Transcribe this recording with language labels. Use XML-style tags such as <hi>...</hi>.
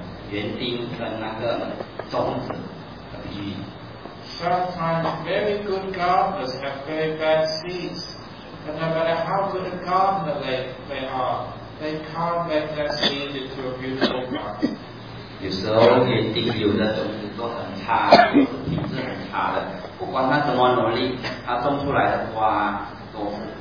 <zh>园丁跟那个种子的比喻。</zh> <en>Sometimes very good gardeners have very bad seeds, and no matter how good a gardener they are, they can't make that seed into a beautiful garden.</en> <zh>有时候园丁有的种子都很差，品质很差的，不管他怎么努力，他种出来的花都</zh>